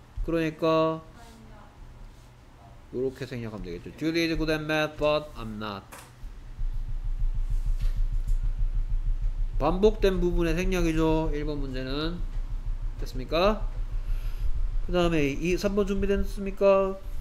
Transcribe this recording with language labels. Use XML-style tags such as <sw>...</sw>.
<ko>그러니까 요렇게 생략하면 되겠죠.</ko> <en>Judy is good at math, but I'm not.</en> <ko>반복된 부분의 생략이죠. 1번 문제는 됐습니까? 그 다음에 이 3번 준비됐습니까?</ko>